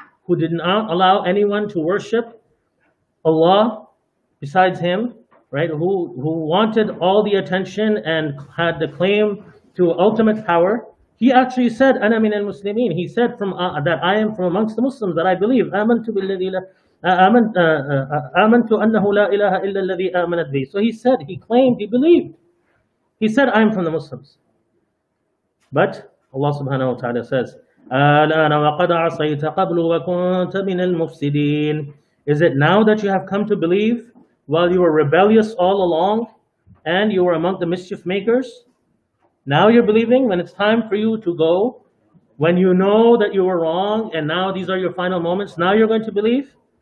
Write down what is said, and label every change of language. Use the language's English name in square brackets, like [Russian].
[English] who did not allow anyone to worship Allah besides him, right? Who wanted all the attention and had the claim to ultimate power. He actually said, [Arabic] "Ana min al-Muslimin." [English] He said that I am from amongst the Muslims, that I believe. [Arabic] آمنت أنه لا إله إلا الذي آمنت به. [English] So he said, he claimed, he believed. He said, I am from the Muslims. But Allah subhanahu wa ta'ala says, [Arabic] الآن وقد عصيت قبل وكنت من المفسدين. [English] Is it now that you have come to believe while you were rebellious all along and you were among the mischief makers? Now you're believing when it's time for you to go, when you know that you were wrong and now these are your final moments, now you're going to believe?